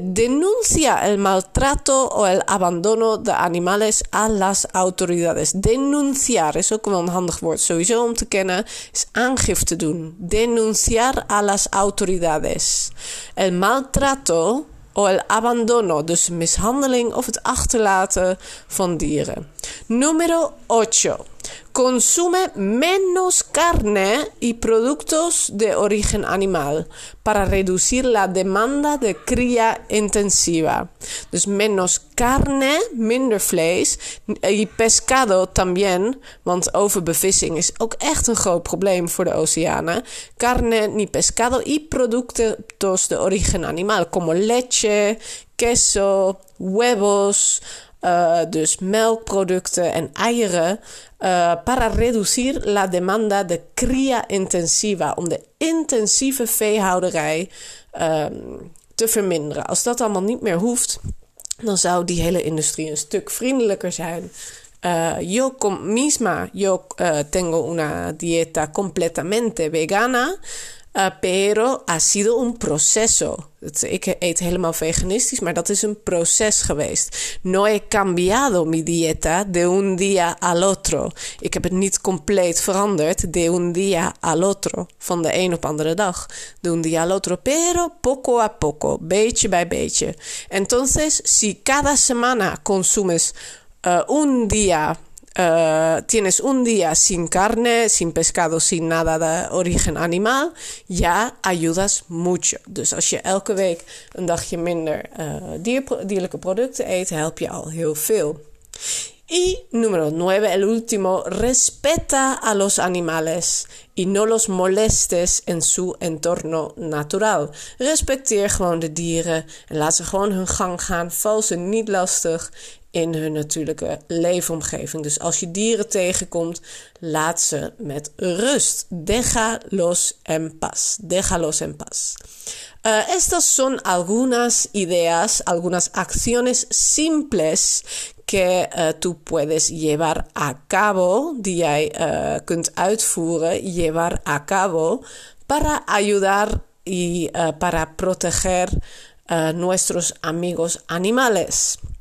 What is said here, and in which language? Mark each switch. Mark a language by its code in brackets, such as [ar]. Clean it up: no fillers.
[es] Denuncia el maltrato o el abandono de animales a las autoridades. [nl] Denunciar is ook wel een handig woord sowieso om te kennen. Is aangifte doen. [es] Denunciar a las autoridades. El maltrato o el abandono. [nl] Dus mishandeling of het achterlaten van dieren. [es] Número 8. Consume menos carne y productos de origen animal para reducir la demanda de cría intensiva. [nl] Dus [es] menos carne, [nl] minder vlees, [es] y pescado también, [nl] want overbevissing is ook echt een groot probleem voor de oceanen. [es] Carne ni pescado y productos de origen animal, como leche, queso, huevos. [nl] Dus melkproducten en eieren, [es] para reducir la demanda de cría intensiva, [nl] om de intensieve veehouderij te verminderen. Als dat allemaal niet meer hoeft, dan zou die hele industrie een stuk vriendelijker zijn. [es] Yo com misma, yo tengo una dieta completamente vegana. Pero ha sido un proceso. [nl] Ik eet helemaal veganistisch, maar dat is een proces geweest. [es] No he cambiado mi dieta de un día al otro. [nl] Ik heb het niet compleet veranderd [es] de un día al otro. [nl] Van de een op andere dag. [es] De un día al otro. Pero poco a poco. [nl] Beetje bij beetje. [es] Entonces, si cada semana consumes un día. Tienes un día sin carne, sin pescado, sin nada de origen animal, ya ayudas mucho. [nl] Dus als je elke week een dagje minder dierlijke producten eet, help je al heel veel. [es] Y número 9, el último, respeta a los animales y no los molestes en su entorno natural. [nl] Respecteer gewoon de dieren en laat ze gewoon hun gang gaan. Val ze niet lastig in hun natuurlijke leefomgeving. Dus als je dieren tegenkomt, laat ze met rust. [es] Déjalos en paz. Déjalos en paz. Estas son algunas ideas, algunas acciones simples que tú puedes llevar a cabo, [nl] die jij kunt uitvoeren, [es] llevar a cabo, para ayudar y para proteger nuestros amigos animales.